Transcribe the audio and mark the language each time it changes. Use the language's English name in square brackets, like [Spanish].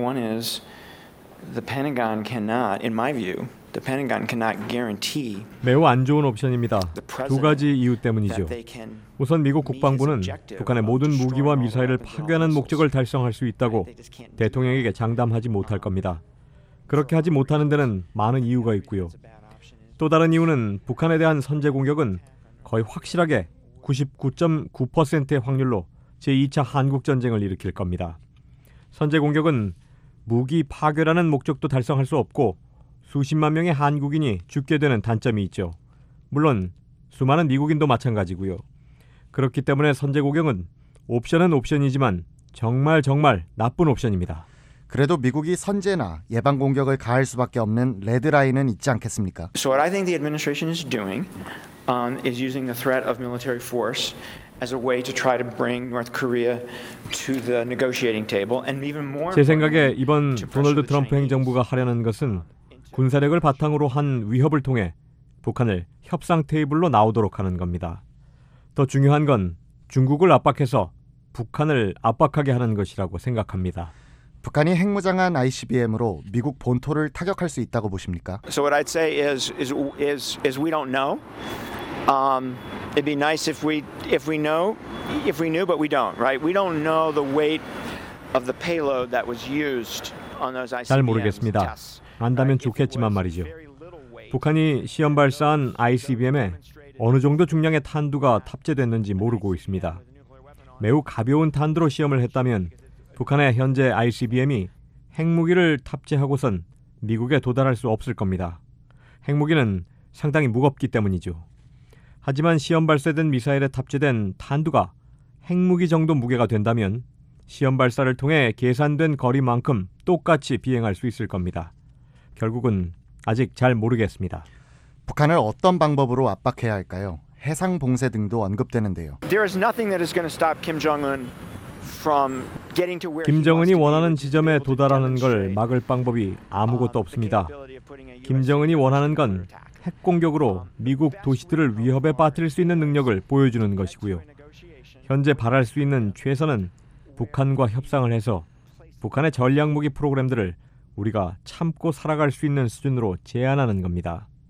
[English] One is the Pentagon cannot, in my view, The Pentagon cannot guarantee [Korean] 매우 안 좋은 옵션입니다. 두 가지 이유 때문이죠. 우선 미국 국방부는 북한의 모든 무기와 미사일을 파괴하는 목적을 달성할 수 있다고 대통령에게 장담하지 못할 겁니다. 그렇게 하지 못하는 데는 많은 이유가 있고요. 또 다른 이유는 북한에 대한 선제 공격은 거의 확실하게 99.9%의 확률로 제2차 한국전쟁을 일으킬 겁니다. 선제 공격은 무기 파괴라는 목적도 달성할 수 없고 수십만 명의 한국인이 죽게 되는 단점이 있죠. 물론 수많은 미국인도 마찬가지고요. 그렇기 때문에 선제 공격은 옵션은 옵션이지만 정말 정말 나쁜 옵션입니다. 그래도 미국이 선제나 예방 공격을 가할 수밖에 없는 레드라인은 있지 않겠습니까? [English] So what I think the administration is doing is using the threat of military force as a way to try to bring North Korea to the negotiating table and even more. [Korean] 제 생각에 이번 도널드 트럼프 행정부가 하려는 것은 군사력을 바탕으로 한 위협을 통해 북한을 협상 테이블로 나오도록 하는 겁니다. 더 중요한 건 중국을 압박해서 북한을 압박하게 하는 것이라고 생각합니다. 북한이 핵무장한 ICBM으로 미국 본토를 타격할 수 있다고 보십니까? [English] So what I'd say is we don't know. It'd be nice if we knew, but we don't, right? We don't know the weight of the payload that was used on those ICBMs. [Korean] 잘 모르겠습니다. 안다면 좋겠지만 말이죠. 북한이 시험 발사한 ICBM에 어느 정도 중량의 탄두가 탑재됐는지 모르고 있습니다. 매우 가벼운 탄두로 시험을 했다면 북한의 현재 ICBM이 핵무기를 탑재하고선 미국에 도달할 수 없을 겁니다. 핵무기는 상당히 무겁기 때문이죠. 하지만 시험 발사된 미사일에 탑재된 탄두가 핵무기 정도 무게가 된다면 시험 발사를 통해 계산된 거리만큼 똑같이 비행할 수 있을 겁니다. 결국은 아직 잘 모르겠습니다. 북한을 어떤 방법으로 압박해야 할까요? 해상 봉쇄 등도 언급되는데요. [English] There is nothing that is going to stop Kim Jong-un from getting to where [Korean] 김정은이 원하는 지점에 도달하는 걸 막을 방법이 아무것도 없습니다. 김정은이 원하는 건 핵 공격으로 미국 도시들을 위협에 빠뜨릴 수 있는 능력을 보여주는 것이고요. 현재 바랄 수 있는 최선은 북한과 협상을 해서 북한의 전략 무기 프로그램들을 우리가 참고 살아갈 수 있는 수준으로 제한하는 겁니다.